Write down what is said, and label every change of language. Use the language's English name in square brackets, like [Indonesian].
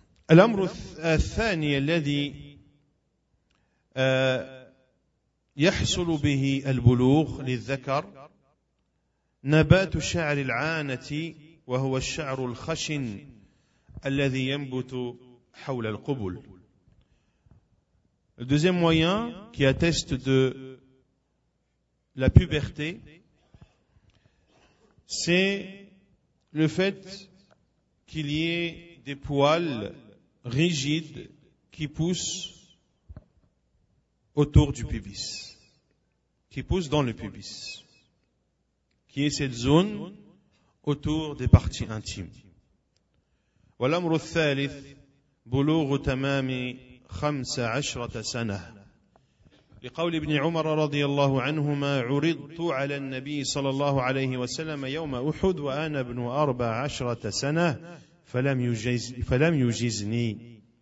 [Arabic] الأمر الثاني الذي يحصل به البلوغ للذكر نبات شعر العانة وهو الشعر الخشن الذي ينبت حول القبل. [French] Le deuxième moyen qui atteste de la puberté, c'est le fait qu'il y ait des poils rigide qui pousse autour du pubis, qui pousse dans le pubis, qui est cette zone autour des parties intimes. [Arabic] والأمر الثالث بلوغ تمام 15 سنة لقول ابن عمر رضي الله عنهما عرضت على النبي صلى الله عليه وسلم يوم أحد وأنا ابن 14 سنة فلم يجزني.